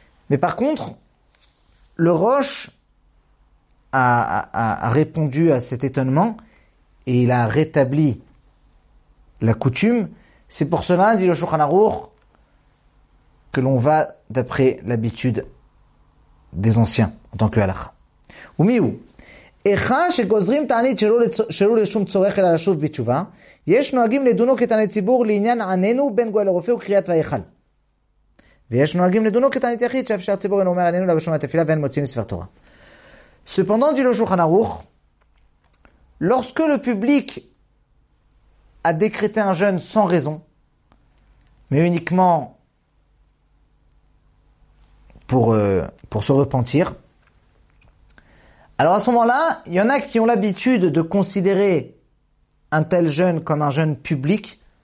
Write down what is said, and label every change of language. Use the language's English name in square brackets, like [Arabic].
[French] Mais par contre, le Roche a répondu à cet étonnement et il a rétabli la coutume. C'est pour cela, dit le Shulchan Aruch, que l'on va d'après l'habitude des anciens en tant que halakha. Ou mi ou? [Hebrew] אחד שגוזרים תענית שלא לשום צורך אלא לשוב בתשובה, יש נוהגים לדונו כתענית ציבור לעניין עננו בין גוי לרופא וקריאת ויחל. ויש נוהגים לדונו כתענית יחיד שאף שהציבור אינו אומר עננו לבשום התפילה ואין מוציא מספר תורה. [French] Cependant, dit le Shulchan Aruch, lorsque le public a décrété un jeûne sans raison, mais uniquement pour se repentir, alors à ce moment-là, il y en a qui ont l'habitude de considérer un tel jeûne comme un jeûne public.